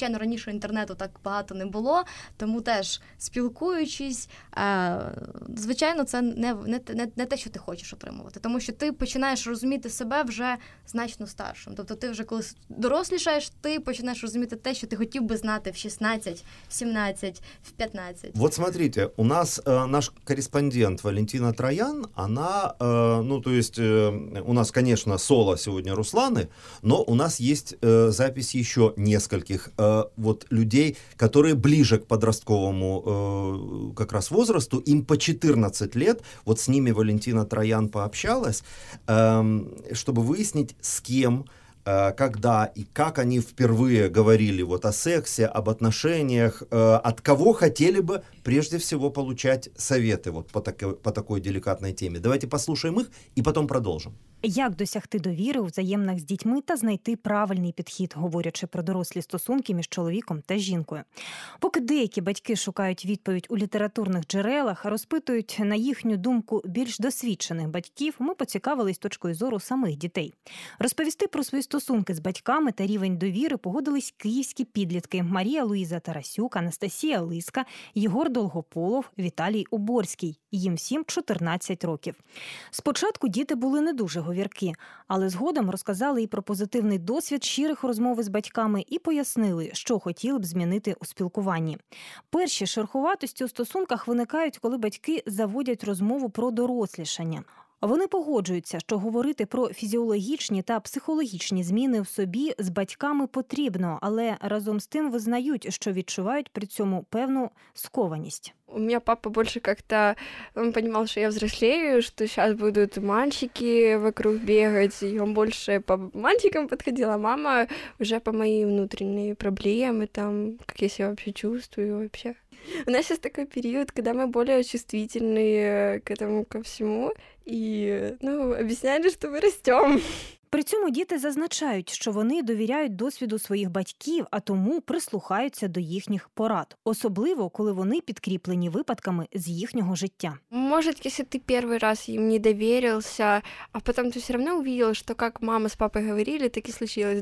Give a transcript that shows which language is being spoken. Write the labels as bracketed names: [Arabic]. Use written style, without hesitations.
[Ukrainian] Звичайно, раніше інтернету так багато не було, тому теж спілкуючись, звичайно, це не те, що ти хочеш отримувати. Тому що ти починаєш розуміти себе вже значно старшим. Тобто ти вже коли дорослішаєш, ти починаєш розуміти те, що ти хотів би знати в 16-17. 15. [Russian] Вот смотрите, у нас наш корреспондент Валентина Троян, она, ну, то есть, у нас, конечно, соло сегодня Русланы, но у нас есть запись еще нескольких вот людей, которые ближе к подростковому как раз возрасту, им по 14 лет, вот с ними Валентина Троян пообщалась, чтобы выяснить, с кем, когда и как они впервые говорили вот о сексе, об отношениях, от кого хотели бы прежде всего получать советы вот по такой деликатной теме. Давайте послушаем их и потом продолжим. [Ukrainian] Як досягти довіри у взаємних з дітьми та знайти правильний підхід, говорячи про дорослі стосунки між чоловіком та жінкою? Поки деякі батьки шукають відповідь у літературних джерелах, розпитують, на їхню думку, більш досвідчених батьків, ми поцікавились точкою зору самих дітей. Розповісти про свої стосунки з батьками та рівень довіри погодились київські підлітки Марія Луїза Тарасюк, Анастасія Лиска, Єгор Долгополов, Віталій Уборський. Їм всім 14 років. Спочатку діти були не дуже говірки, але згодом розказали і про позитивний досвід щирих розмов із батьками і пояснили, що хотіли б змінити у спілкуванні. Перші шероховатості у стосунках виникають, коли батьки заводять розмову про дорослішання. Вони погоджуються, що говорити про фізіологічні та психологічні зміни в собі з батьками потрібно, але разом з тим визнають, що відчувають при цьому певну скованість. [Russian] У меня папа больше как-то, он понимал, что я взрослею, что сейчас будут мальчики вокруг бегать, и он больше по мальчикам подходил, а мама уже по мои внутренние проблемы, там, как я себя вообще чувствую вообще. У нас сейчас такой период, когда мы более чувствительные к этому ко всему, и, ну, объясняли, что мы растем. [Ukrainian] При цьому діти зазначають, що вони довіряють досвіду своїх батьків, а тому прислухаються до їхніх порад. Особливо, коли вони підкріплені випадками з їхнього життя. Може, якщо ти перший раз їм не довірився, а потім ти все одно побачив, що як мама з папою говорили, так і случилось.